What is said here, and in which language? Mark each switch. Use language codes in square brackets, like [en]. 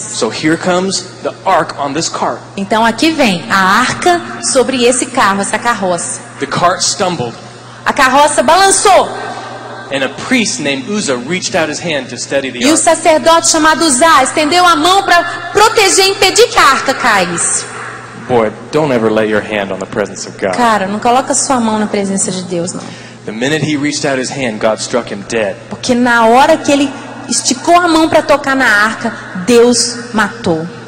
[en] So here comes the ark on this cart. [pt] Então aqui vem a arca sobre esse carro, essa carroça. [en] The cart stumbled. [pt] A carroça balançou. [en] And a priest named Uzzah reached out his hand to steady the ark. [pt] E um sacerdote chamado Uzzah estendeu a mão para proteger e impedir que a arca caísse. [en] Boy, don't ever lay your hand on the presence of God. [pt] Cara, não coloca sua mão na presença de Deus, não. [en] The minute he reached out his hand, God struck him dead. [pt] Porque na hora que ele esticou a mão para tocar na arca, Deus matou.